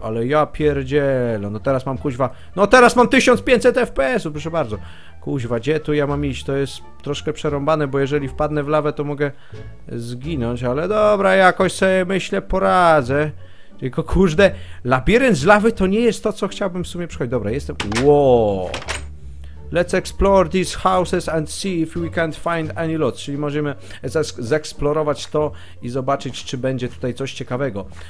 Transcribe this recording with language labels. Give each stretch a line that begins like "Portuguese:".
Polish: Ale ja pierdzielę, no teraz mam kuźwa... No teraz mam 1500 FPS-u, proszę bardzo. Kuźwa, gdzie tu ja mam iść? To jest troszkę przerąbane, bo jeżeli wpadnę w lawę, to mogę zginąć. Ale dobra, jakoś sobie myślę, poradzę. Tylko kurde, labirynt z lawy to nie jest to, co chciałbym w sumie przychodzić. Dobra, jestem... Wow.
English: Let's explore these houses and see if we can't find any loot.
Polish: Czyli możemy zeksplorować to i zobaczyć, czy będzie tutaj coś ciekawego.